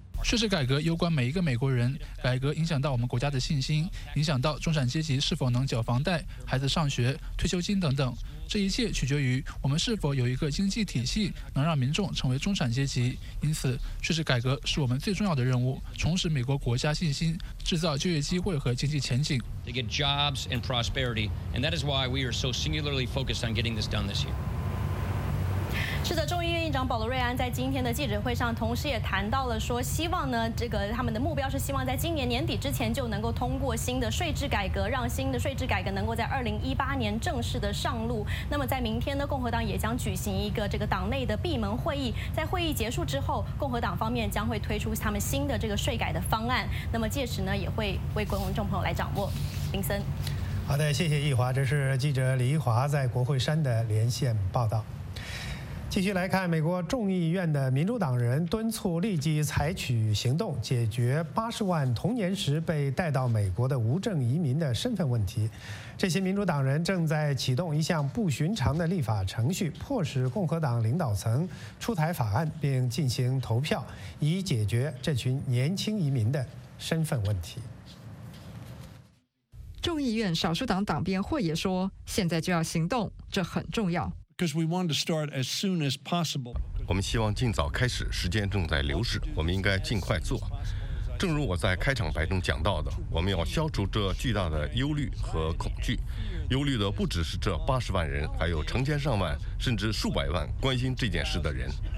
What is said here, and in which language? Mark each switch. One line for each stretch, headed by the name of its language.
Chinese: 税制改革攸关每一个美国人，改革影响到我们国家的信心，影响到中产阶级是否能缴房贷、孩子上学、退休金等等。这一切取决于我们是否有一个经济体系能让民众成为中产阶级。因此，税制改革是我们最重要的任务，重拾美国国家信心，制造就业机会和经济前景。
English: To get jobs and prosperity, and that is why we are so singularly focused on getting this done this year.
Chinese: 是的，众议院议长保罗瑞安在今天的记者会上同时也谈到了说，希望呢这个他们的目标是希望在今年年底之前就能够通过新的税制改革，让新的税制改革能够在2018年正式的上路。那么在明天呢，共和党也将举行一个这个党内的闭门会议，在会议结束之后，共和党方面将会推出他们新的这个税改的方案，那么届时呢也会为观众朋友来掌握。林森，好的，谢谢易华，这是记者李易华在国会山的连线报道。继续来看，美国众议院的民主党人敦促立即采取行动，解决80万童年时被带到美国的无证移民的身份问题。这些民主党人正在启动一项不寻常的立法程序，迫使共和党领导层出台法案并进行投票，以解决这群年轻移民的身份问题。众议院少数党党鞭霍也说，现在就要行动，这很重要。
English: Because we want to start as soon as possible.
Chinese: 我们希望尽早开始，时间正在流逝，我们应该尽快做。正如我在开场白中讲到的，我们要消除这巨大的忧虑和恐惧。忧虑的不只是这80万人，还有成千上万甚至数百万关心这件事的人。